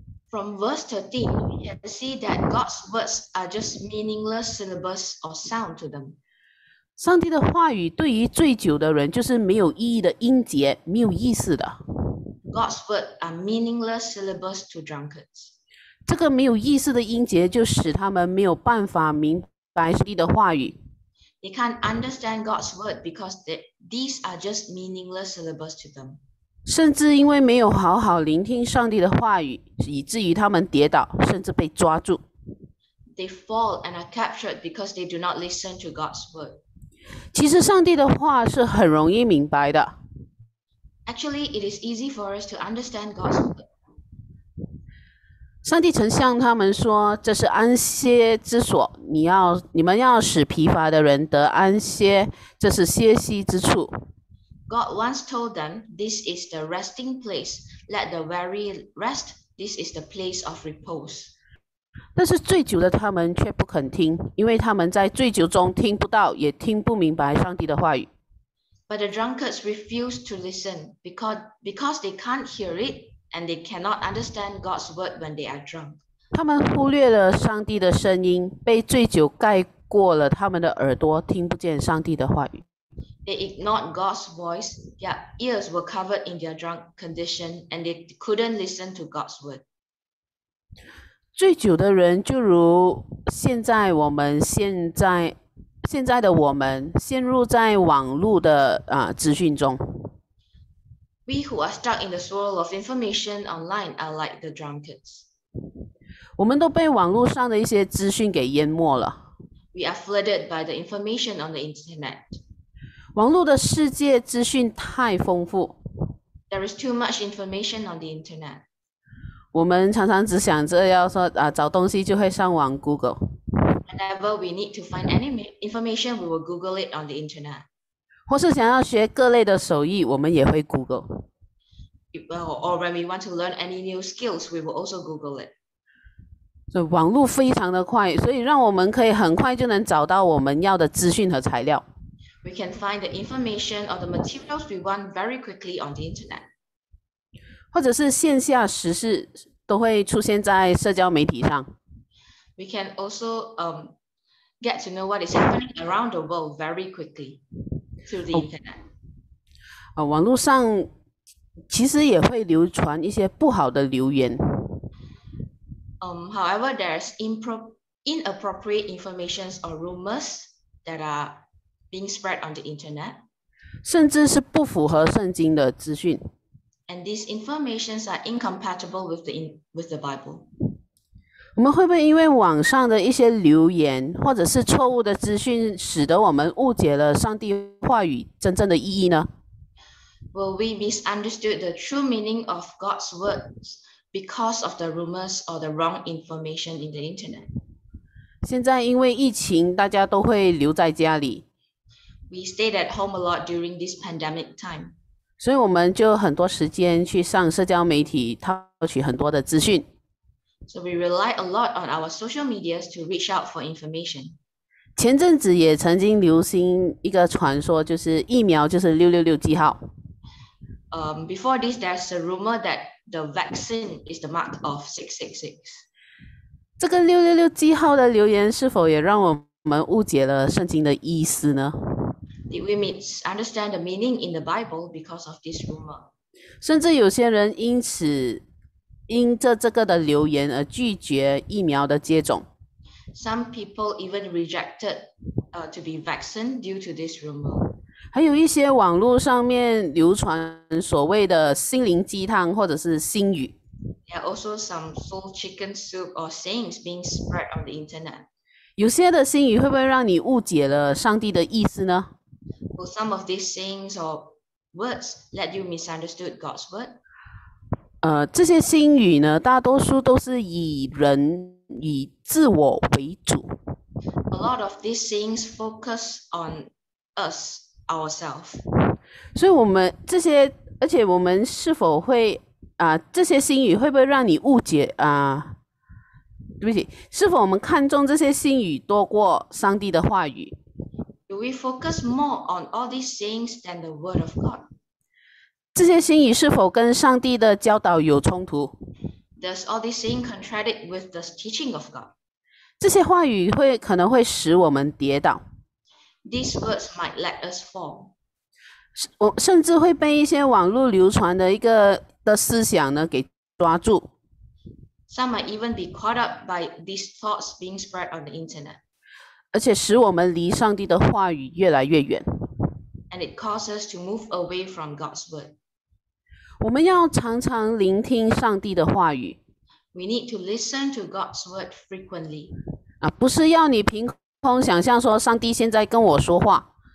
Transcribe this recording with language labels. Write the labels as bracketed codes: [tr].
[en] From verse 13, we can see that God's words are just meaningless syllables or sound to them. [zh] 上帝的话语对于醉酒的人就是没有意义的音节，没有意思的。 [en] God's words are meaningless syllables to drunkards. [zh] 这个没有意思的音节就使他们没有办法明白上帝的话语。 [en] They can't understand God's word because these are just meaningless syllables to them. [zh] 甚至因为没有好好聆听上帝的话语，以至于他们跌倒，甚至被抓住。 [en] They fall and are captured because they do not listen to God's word. [zh] 其实上帝的话是很容易明白的。 [en] Actually, it is easy for us to understand God's word. [zh] 上帝曾向他们说：“这是安歇之所，你们要使疲乏的人得安歇，这是歇息之处。” [en] God once told them, "This is the resting place. Let the weary rest. This is the place of repose." [zh] 但是醉酒的他们却不肯听，因为他们在醉酒中听不到，也听不明白上帝的话语。 [en] But the drunkards refused to listen because they can't hear it. And they cannot understand God's word when they are drunk. [zh] 他们忽略了上帝的声音，被醉酒盖过了他们的耳朵，听不见上帝的话语。 [en] They ignored God's voice. Their ears were covered in their drunk condition, and they couldn't listen to God's word. [zh] 醉酒的人就如现在我们现在的我们陷入在网络的资讯中。 [en] We who are stuck in the swirl of information online are like the drunkards. [zh] 我们都被网络上的一些资讯给淹没了。 [en] We are flooded by the information on the internet. [zh] 网络的世界资讯太丰富。 [en] There is too much information on the internet. [zh] 我们常常只想着要说找东西就会上网 Google. [en] Whenever we need to find any information, we will Google it on the internet. [zh] 或是想要学各类的手艺，我们也会 Google。 [en] Well, or when we want to learn any new skills, we will also Google it. [zh] 所以网络非常的快，所以让我们可以很快就能找到我们要的资讯和材料。 [en] We can find the information or the materials we want very quickly on the internet. [zh] 或者是线下时事都会出现在社交媒体上。 [en] We can also get to know what is happening around the world very quickly. [zh] 网络上其实也会流传一些不好的流言。 [en] However, there's inappropriate information or rumors that are being spread on the internet. [zh] 甚至是不符合圣经的资讯。 [en] And these information are incompatible with the Bible. [zh] 我们会不会因为网上的一些流言或者是错误的资讯，使得我们误解了上帝话语真正的意义呢？ [en] Will we misunderstood the true meaning of God's words because of the rumors or the wrong information in the internet? [zh] 现在因为疫情，大家都会留在家里。 [en] We stayed at home a lot during this pandemic time. [zh] 所以我们就很多时间去上社交媒体，获取很多的资讯。 [en] So we rely a lot on our social medias to reach out for information. [zh] 前阵子也曾经流行一个传说，就是疫苗就是666记号。 [en] Before this, there's a rumor that the vaccine is the mark of 666. [zh] 这个666记号的留言是否也让我们误解了圣经的意思呢？ [en] Did we misunderstand the meaning in the Bible because of this rumor? [zh] 甚至有些人因此因着这个的流言而拒绝疫苗的接种。 [en] Some people even rejected to be vaccinated due to this rumor. [zh] 还有一些网络上面流传所谓的心灵鸡汤或者是心语。 [en] There are also some soul chicken soup or sayings being spread on the internet. [zh] 有些的心语会不会让你误解了上帝的意思呢？ [en] Will some of these sayings or words let you misunderstood God's word? [zh] 这些心语呢，大多数都是以人以自我为主。 [en] A lot of these things focus on us ourselves. [zh] 所以我们这些，而且我们是否会这些心语会不会让你误解对不起，是否我们看重这些心语多过上帝的话语 [en] ？Do we focus more on all these things than the Word of God? [zh] 这些心语是否跟上帝的教导有冲突 [en] ？Does all these things contradict with the teaching of God？ [zh] 这些话语会可能会使我们跌倒。 [en] These words might let us fall。 [zh] 我甚至会被一些网络流传的一个的思想呢给抓住。 [en] Some might even be caught up by these thoughts being spread on the internet。 [zh] 而且使我们离上帝的话语越来越远。 [en] And it causes us to move away from God's word. [zh] 我们要常常聆听上帝的话语。 [en] We need to listen to God's word frequently. [zh] 不是要你凭空想象说上帝现在跟我说话。